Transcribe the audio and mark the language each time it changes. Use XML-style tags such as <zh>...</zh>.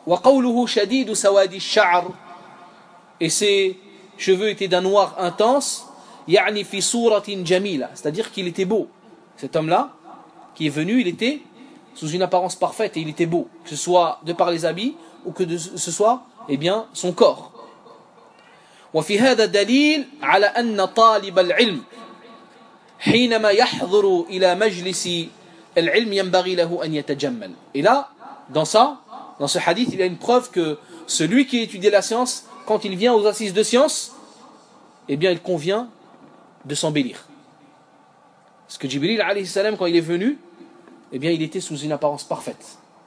<ar>Wa qawluhu shadid sawadi sha'r,</ar> <fr>et ses cheveux étaient d'un noir intense,</fr> <ar>ya'ni fi suratin jamila,</ar> <fr>c'est-à-dire qu'il était beau. Cet homme-là, qui est venu, il était sous une apparence parfaite et il était beau, que ce soit de par les habits ou que ce soit, eh bien, son corps.</fr> <ar>وفي هذا دليل على أن طالب العلم حينما يحضر إلى مجلس العلم ينبغي له أن يتجمل.</ar> <fr>Et là, dans ce hadith, il y a une preuve que celui qui étudie la science, quand il vient aux assises de science, eh bien, il convient de s'embellir. Parce que Jibril</fr> <ar>alayhi salam,</ar> <fr>quand il est venu, eh bien, il était sous une apparence parfaite.</fr>